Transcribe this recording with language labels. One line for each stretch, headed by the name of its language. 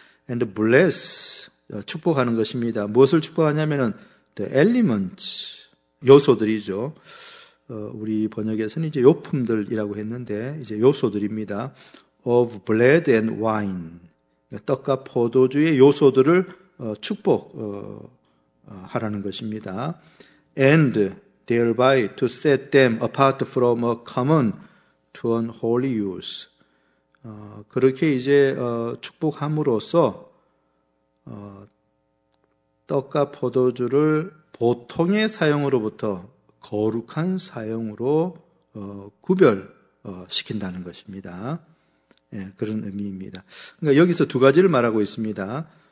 English: And bless,
Korean: 축복하는 것입니다. 무엇을 축복하냐면은
English: the elements,
Korean: 요소들이죠. 우리 번역에서는 이제 요품들이라고 했는데 이제 요소들입니다.
English: Of bread and wine,
Korean: 떡과 포도주의 요소들을 축복하라는 것입니다.
English: And thereby to set them apart from a common to an holy use.
Korean: 그렇게 이제 축복함으로써 떡과 포도주를 보통의 사용으로부터 거룩한 사용으로 구별시킨다는 것입니다. 예, 그런 의미입니다. 그러니까 여기서 두 가지를 말하고 있습니다.